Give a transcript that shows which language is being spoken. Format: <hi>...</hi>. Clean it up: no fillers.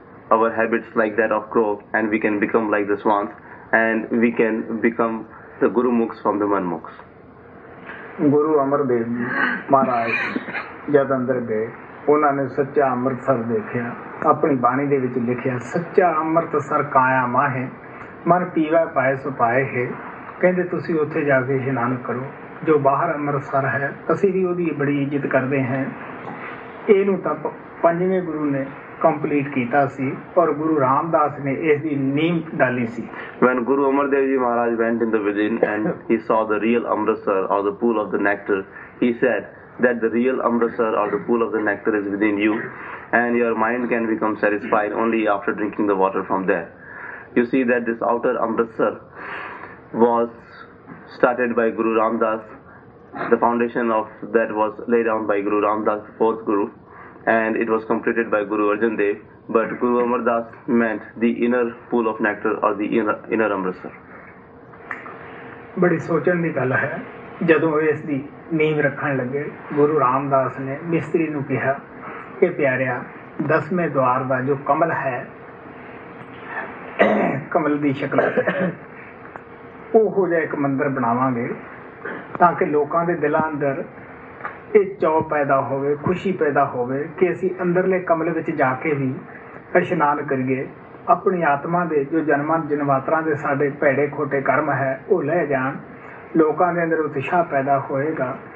<en>our habits like that of crow, and we can become like the swans, and we can become the Guru Mukhs from the Man Mukhs.</en> <pa>Guru Amar Dev Maharaj jad andar gaye, ਉਹਨਾਂ ਨੇ ਸੱਚਾ ਅੰਮ੍ਰਿਤਸਰ ਦੇਖਿਆ, ਆਪਣੀ ਬਾਣੀ ਦੇ ਵਿੱਚ ਲਿਖਿਆ, ਸੱਚਾ ਅੰਮ੍ਰਿਤਸਰ ਕਾਇਆ ਮਾਹੇ, ਮਨ ਪੀਵਾ ਪਾਏ ਸੁਪਾਏ ਹੈ। ਕਹਿੰਦੇ ਤੁਸੀਂ ਉੱਥੇ ਜਾ ਕੇ ਇਸ਼ਨਾਨ ਕਰੋ, ਜੋ ਬਾਹਰ ਅੰਮ੍ਰਿਤਸਰ ਹੈ ਅਸੀਂ ਵੀ ਉਹਦੀ ਬੜੀ ਇੱਜ਼ਤ ਕਰਦੇ ਹਾਂ। ਇਹਨੂੰ ਤਾਂ ਪੰਜਵੇਂ ਗੁਰੂ ਨੇ ਕੰਪਲੀਟ ਕੀਤਾ ਸੀ, ਔਰ ਗੁਰੂ ਰਾਮਦਾਸ ਨੇ ਇਸ ਦੀ ਨੀਂਹ ਡਾਲੀ ਸੀ।</pa> <en>When Guru Amardev ji Maharaj went in the vision and he saw the real Amritsar or the pool of the nectar, he said that the real Amritsar or the pool of the nectar is within you, and your mind can become satisfied only after drinking the water from there. You see that this outer Amritsar was started by Guru Ramdas. The foundation of that was laid down by Guru Ramdas, fourth Guru, and it was completed by Guru Arjan Dev, but Guru Amar Das meant the inner pool of nectar or the inner Amritsar.</en> <pa>Badi sochan di gall hai, ਜਦੋਂ ਇਸ ਦੀ ਨੀਂਹ ਰੱਖਣ ਲੱਗੇ, ਗੁਰੂ ਰਾਮਦਾਸ ਨੇ ਮਿਸਤਰੀ ਨੂੰ ਕਿਹਾ ਕਿ ਪਿਆਰਿਆ, ਦਸਵੇਂ ਦੁਆਰ ਦਾ ਜੋ ਕਮਲ ਹੈ, ਕਮਲ ਦੀ ਸ਼ਕਲ, ਉਹੋ ਜਿਹਾ ਇੱਕ ਮੰਦਰ ਬਣਾਵਾਂਗੇ ਤਾਂ ਕਿ ਲੋਕਾਂ ਦੇ ਦਿਲਾਂ ਅੰਦਰ ਇਹ ਚੌਅ ਪੈਦਾ ਹੋਵੇ, ਖੁਸ਼ੀ ਪੈਦਾ ਹੋਵੇ ਕਿ ਅਸੀਂ ਅੰਦਰਲੇ ਕਮਲ ਵਿੱਚ ਜਾ ਕੇ ਵੀ ਇਸ਼ਨਾਨ ਕਰੀਏ, ਆਪਣੀ ਆਤਮਾ ਦੇ ਜੋ ਜਨਮਾਂ ਜਨਮਾਤਰਾਂ ਦੇ ਸਾਡੇ ਭੈੜੇ ਖੋਟੇ ਕਰਮ ਹੈ ਉਹ ਲੈ ਜਾਣ, ਲੋਕਾਂ ਦੇ ਅੰਦਰ ਉਤਸ਼ਾਹ ਪੈਦਾ ਹੋਏਗਾ।</pa>